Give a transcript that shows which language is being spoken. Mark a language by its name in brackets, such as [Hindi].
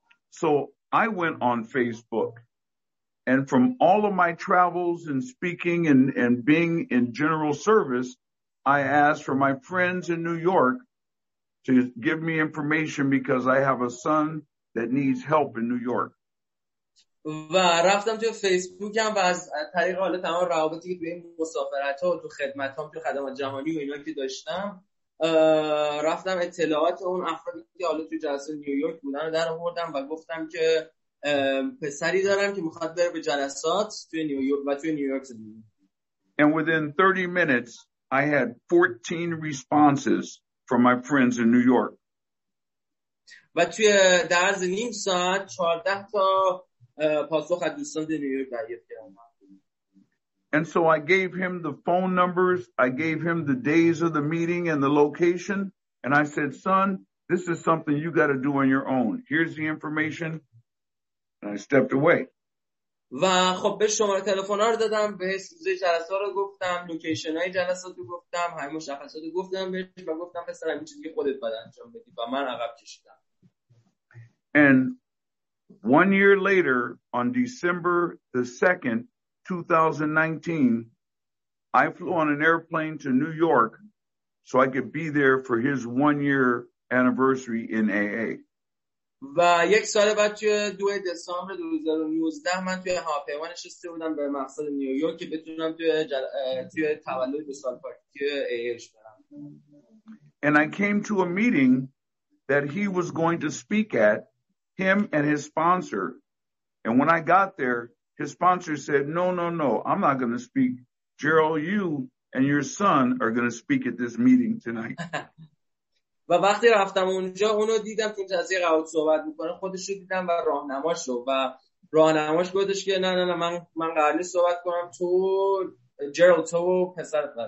[English] So I went on Facebook, and from all of my travels and speaking and being in general service, I asked for my friends in New York to give me information because I have a son that needs help in New York. [Persian] و رفتم تو فیسبوکم و از طریق حالا تمام روابطی که بین مسافرت‌ها و تو خدمت‌هام تو خدمات جهانی و اینا که داشتم رفتم اطلاعات اون افرادی که حالا تو جلسه نیویورک بودن رو درآوردم و گفتم که پسری دارم که می‌خواد بره به جلسات تو نیویورک و تو نیویورک زندگی. [English] And within 30 minutes I had 14 responses from my friends in New York. [Persian] و توی در عرض نیم ساعت 14 تا پاسخ از دوستان در نیویورک دریافت کردم. [English] And so I gave him the phone numbers, I gave him the days of the meeting and the location, and I said, "Son, this is something you got to do on your own. Here's the information." And I stepped away. [Persian] و خب به شماره تلفن‌ها رو دادم، به سوزه جلسه رو گفتم، لوکیشن‌های جلسات رو گفتم، همه مشخصات رو گفتم بهش و گفتم پسرم این چیزی که خودت باید انجام بدی و من عقب کشیدم. [English] And 1 year later, on December the 2nd, 2019, I flew on an airplane to New York so I could be there for his 1 year anniversary in AA. [Persian] و یک سال بعد توی 2 دسامبر 2019 من توی هواپیما نشسته بودم به مقصد نیویورک که بتونم توی تولد دو سال پارتی AAش برم. [English] And I came to a meeting that he was going to speak at, him and his sponsor. And when I got there, his sponsor said, no, no, no, I'm not going to speak. Gerald, you and your son are going to speak at this meeting tonight. [Persian] و وقتی رفتم اونجا اونو دیدم که جزئی قاوت صحبت میکنه خودشو دیدم و راهنماشو و راهنماش گفتش که نه نه نه من قرار نیست صحبت کنم تو جرالد تو و پسرت